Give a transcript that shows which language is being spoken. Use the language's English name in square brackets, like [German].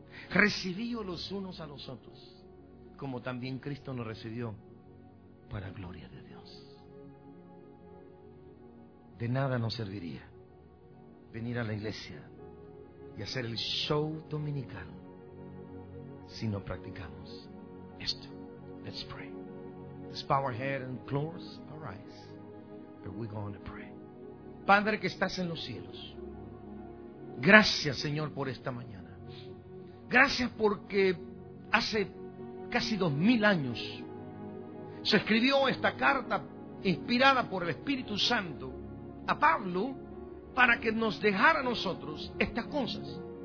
[Spanish] Recibíos los unos a los otros, como también Cristo nos recibió para gloria de Dios. De nada nos serviría venir a la iglesia y hacer el show dominical si no practicamos esto. [English] Let's pray. Let's bow our head and close our eyes, but we're going to pray. [Spanish] Padre que estás en los cielos, gracias Señor por esta mañana. Gracias porque hace casi 2,000 años se escribió esta carta inspirada por el Espíritu Santo a Pablo para que nos dejara a nosotros estas cosas.